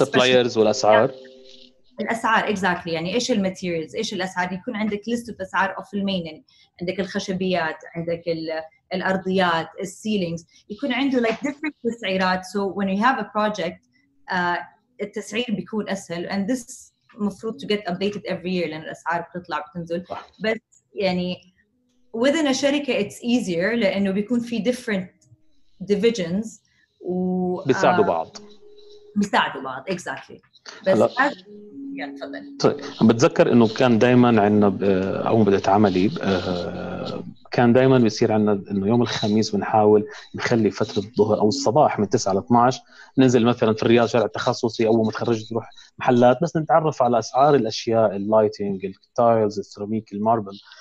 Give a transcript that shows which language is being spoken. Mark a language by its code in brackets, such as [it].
[ar] suppliers والأسعار. الأسعار exactly, يعني إيش ال materials, إيش الأسعار, يكون عندك [en] list of [ar] أسعار [en] of the main, [ar] يعني عندك الخشبيات, عندك ال الأرضيات, [en] the ceilings, [ar] يكون عنده [en] like different [ar] تسعيرات. [en] So when you have a project, [ar] التسعير بيكون أسهل. [en] And this مفروض to get updated every year [ar] لأن الأسعار بتطلع بتنزل. [en] But يعني within a شركة it's easier [ar] لأنه بيكون في [en] different divisions [ar] و بيساعدوا بعض. بيساعدوا بعض exactly. بس طيب عم بتذكر انه كان دائما عندنا او بدات عملي كان دائما بيصير عندنا انه يوم الخميس بنحاول نخلي فتره الظهر او الصباح من 9 ل 12 ننزل مثلا في الرياض شارع التخصصي او متخرج تروح محلات بس نتعرف على اسعار الاشياء, اللايتنج, التايلز, السيراميك, الماربل.